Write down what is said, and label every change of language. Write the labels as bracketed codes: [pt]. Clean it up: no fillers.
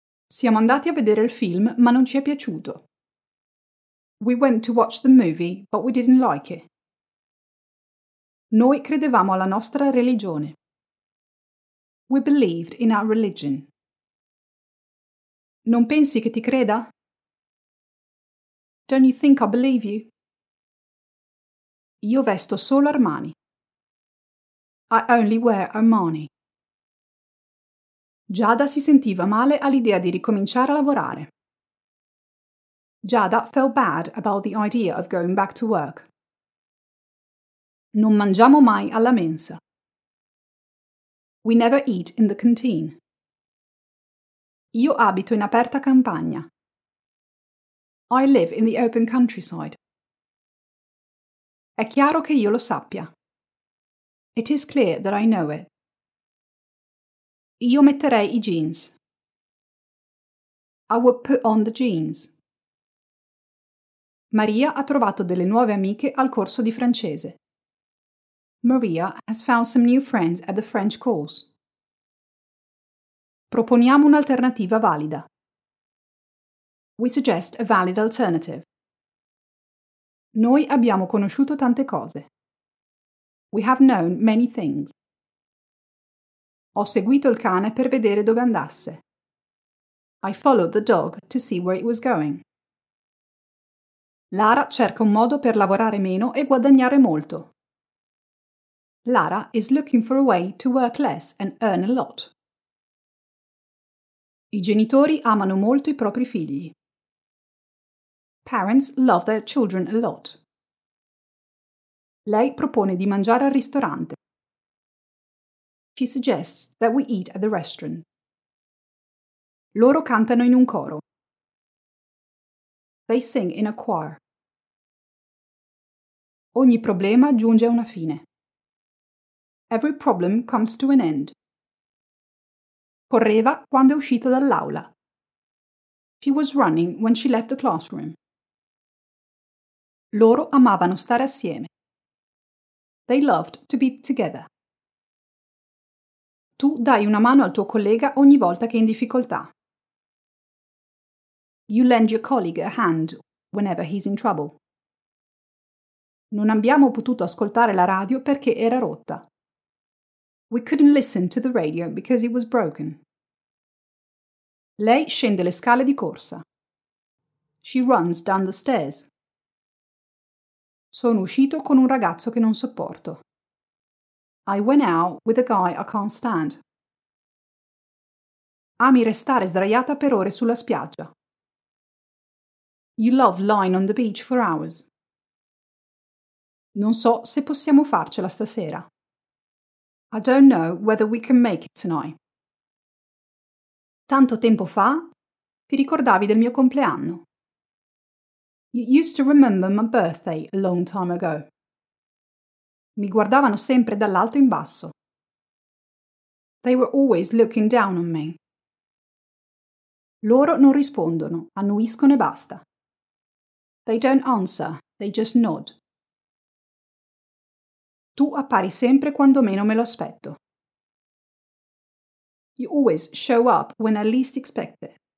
[it] Siamo andati a vedere il film, ma non ci è piaciuto. [en] We went to watch the movie, but we didn't like it. [it] Noi credevamo alla nostra religione. [en] We believed in our religion. [it] Non pensi che ti creda? [en] Don't you think I believe you? [it] Io vesto solo Armani. [en] I only wear Armani. [it] Giada si sentiva male all'idea di ricominciare a lavorare. [en] Giada felt bad about the idea of going back to work. [it] Non mangiamo mai alla mensa. [en] We never eat in the canteen. [it] Io abito in aperta campagna. [en] I live in the open countryside. [it] È chiaro che io lo sappia. [en] It is clear that I know it. [it] Io metterei i jeans. [en] I would put on the jeans. [it] Maria ha trovato delle nuove amiche al corso di francese. [en] Maria has found some new friends at the French course. [it] Proponiamo un'alternativa valida. [en] We suggest a valid alternative. [it] Noi abbiamo conosciuto tante cose. [en] We have known many things. [it] Ho seguito il cane per vedere dove andasse. [en] I followed the dog to see where it was going. [it] Lara cerca un modo per lavorare meno e guadagnare molto. [en] Lara is looking for a way to work less and earn a lot. [it] I genitori amano molto i propri figli. [en] Parents love their children a lot. [it] Lei propone di mangiare al ristorante. [en] She suggests that we eat at the restaurant. [it] Loro cantano in un coro. [en] They sing in a choir. [it] Ogni problema giunge a una fine. [en] Every problem comes to an end. [it] Correva quando è uscita dall'aula. [en] She was running when she left the classroom. [it] Loro amavano stare assieme. [en] They loved to be together. [it] Tu dai una mano al tuo collega ogni volta che è in difficoltà. [en] You lend your colleague a hand whenever he's in trouble. [it] Non abbiamo potuto ascoltare la radio perché era rotta. [en] We couldn't listen to the radio because it was broken. [it] Lei scende le scale di corsa. [en] She runs down the stairs. [it] Sono uscito con un ragazzo che non sopporto. [en] I went out with a guy I can't stand. [it] Ami restare sdraiata per ore sulla spiaggia. [en] You love lying on the beach for hours. [it] Non so se possiamo farcela stasera. [en] I don't know whether we can make it tonight. [it] Tanto tempo fa, ti ricordavi del mio compleanno. [en] You used to remember my birthday a long time ago. [it] Mi guardavano sempre dall'alto in basso. [en] They were always looking down on me. [it] Loro non rispondono, annuiscono e basta. [en] They don't answer, they just nod. [it] Tu appari sempre quando meno me lo aspetto. [en] You always show up when I least expect it.